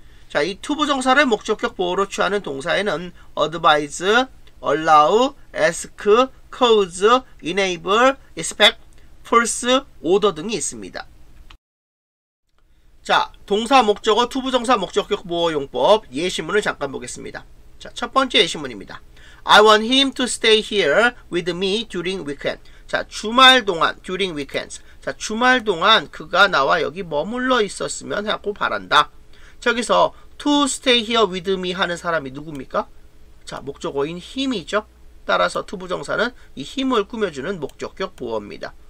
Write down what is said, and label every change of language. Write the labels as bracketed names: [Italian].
[Korean] 자, 이 투부정사를 목적격 보어로 취하는 동사에는 advise, allow, ask, cause, enable, expect, force, order 등이 있습니다. 자, 동사 목적어 투부정사 목적격 보어 용법 예시문을 잠깐 보겠습니다. 자, 첫 번째 예시문입니다. [English] I want him to stay here with me during weekend. [Korean] 자, 주말 동안 [English] during weekends. [Korean] 자, 주말 동안 그가 나와 여기 머물러 있었으면 하고 바란다. 저기서 [English] to stay here with me [Korean] 하는 사람이 누굽니까? 자, 목적어인 him이죠. 따라서 투부정사는 이 him을 꾸며주는 목적격 보어입니다.